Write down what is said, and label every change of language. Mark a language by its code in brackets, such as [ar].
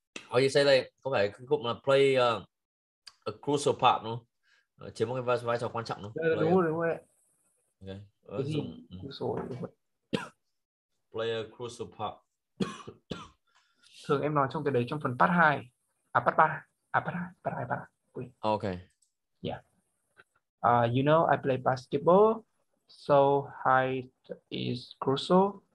[en] Or you say like, okay, play a crucial part, no? [vi] chiếm một cái vai trò quan trọng đúng không? Đúng rồi, đúng rồi. [en] Okay. Dùng play a crucial part. [vi] Thường em nói trong cái đấy trong phần part 2. À part 3. À part 2, part 2, part 3. [en] Okay. Yeah. You know I play basketball, so height is crucial.